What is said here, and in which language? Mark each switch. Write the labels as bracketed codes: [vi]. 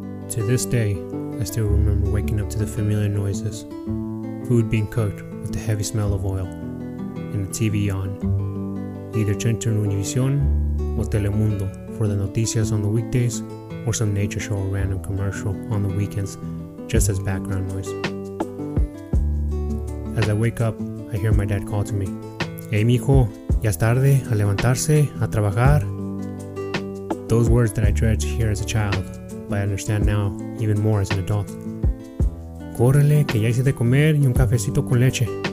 [en] To this day, I still remember waking up to the familiar noises, food being cooked with the heavy smell of oil, and the TV on. Either Centro Univision or Telemundo for the noticias on the weekdays, or some nature show or random commercial on the weekends, just as background noise. As I wake up, I hear my dad call to me. [es] Hey, mijo, ya es tarde, a levantarse, a trabajar. [en] Those words that I dreaded to hear as a child, but I understand now even more as an adult. [es] Córrele, que ya hice de comer y un cafecito con leche.